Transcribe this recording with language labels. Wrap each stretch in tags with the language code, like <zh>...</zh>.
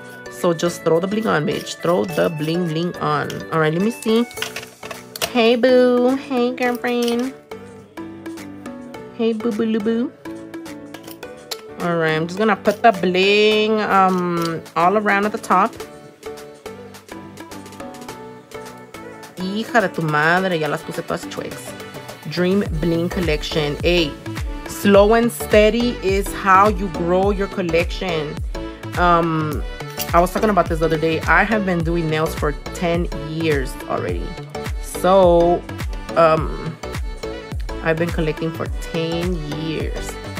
<en>So just throw the bling on, bitch. Throw the bling on. All right, let me see. Hey, boo. Hey, girlfriend. Hey, boo. All right, I'm just going to put the bling all around at the top.</en> <es>Hija de tu madre, ya las puse todas chuecas.</es> <en>Dream Bling Collection. Hey, slow and steady is how you grow your collection. I was talking about this the other day. I have been doing nails for 10 years already. So, I've been collecting for 10 years.</en>